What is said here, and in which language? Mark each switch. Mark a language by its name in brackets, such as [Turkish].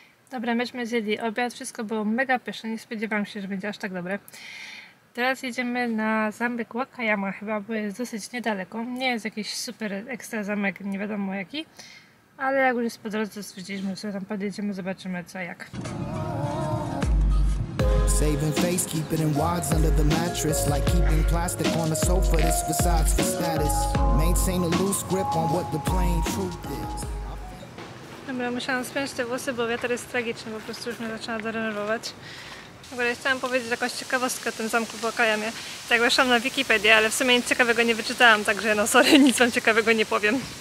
[Polish] Dobra, myśmy zjedli obiad, wszystko było mega pyszne, nie spodziewałam się, że będzie aż tak dobre. Teraz jedziemy na zamek Wakayama chyba, bo jest dosyć niedaleko. Nie jest jakiś super ekstra zamek, nie wiadomo jaki. Ale jak już jest po drodze, stwierdziliśmy, że tam podjedziemy, zobaczymy co jak. [English] Saving face, keep it in wads under the mattress. Like keeping plastic on the sofa, this besides the status. Maintain a loose grip on what the plain truth is. [Polish] Dobra, musiałam spiąć te włosy, bo wiatr jest tragiczny, po prostu już mnie zaczyna denerwować. W ogóle chciałam powiedzieć jakąś ciekawostkę o tym zamku w Wakayamie. Tak, weszłam na Wikipedię, ale w sumie nic ciekawego nie wyczytałam, także no sorry, nic wam ciekawego nie powiem.